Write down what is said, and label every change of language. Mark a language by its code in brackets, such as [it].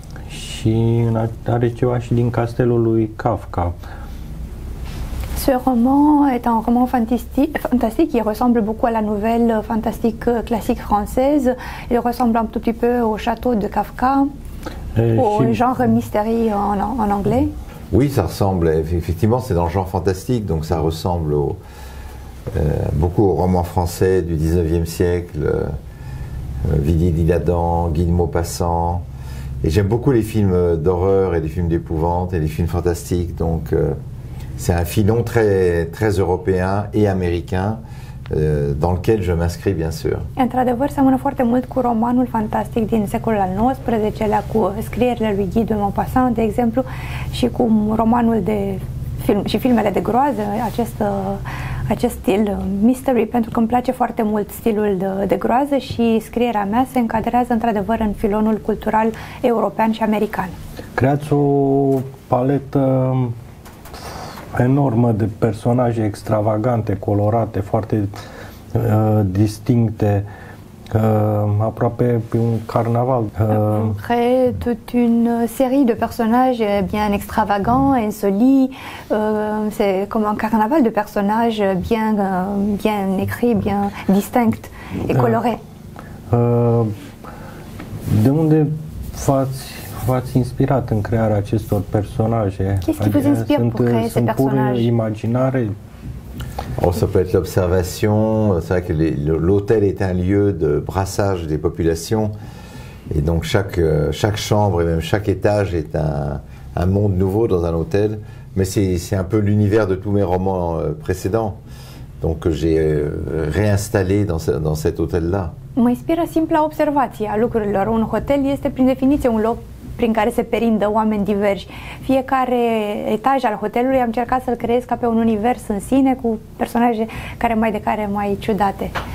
[ro] Și are ceva și din castelul lui Kafka. [fr] Ce roman est un roman fantastique, il ressemble beaucoup à la nouvelle fantastique classique française, il ressemble un tout petit peu au château de Kafka, au genre mystery en anglais. Oui, ça ressemble, effectivement, c'est dans le genre fantastique, donc ça ressemble beaucoup au roman français du 19e siècle, Vidi-Didadan, Guy de Maupassant. Et j'aime beaucoup les films d'horreur et les films d'épouvante et les films fantastiques. Donc c'est un filon très, très européen et américain dans lequel je m'inscris, bien sûr. [ro] Într-adevăr, seamănă foarte mult cu romanul fantastic din secolul al XIX-lea, cu scrierile lui Guy de Maupassant, de exemplu, și cu romanul de film și filmele de groază, acest stil mystery, pentru că îmi place foarte mult stilul de groază și scrierea mea se încadrează într-adevăr în filonul cultural european și american. Creați o paletă enormă de personaje extravagante, colorate, foarte distincte, aproape pe un carnaval. [fr] Crée toute une série de personnages bien extravagants, insolis. C'est comme un carnaval de personnages bien écrits, bien distincts et colorés. [ro] De unde v-ați inspirat în crearea acestor personaje? [fr] Qu'est-ce qui vous inspire pour créer ces personnages? [ro] Sunt pur imaginare. [fr] Oh, ça peut être l'observation. C'est vrai que l'hôtel est un lieu de brassage des populations. Et donc chaque chambre et même chaque étage est un monde nouveau dans un hôtel. Mais c'est un peu l'univers de tous mes romans précédents. Donc j'ai réinstallé dans cet hôtel-là. [ro] Mă inspiră simpla observație a lucrurilor. Un hotel este prin definiție un loc prin care se perindă oameni diversi. Fiecare etaj al hotelului am încercat să-l creez ca pe un univers în sine cu personaje care mai de care mai ciudate.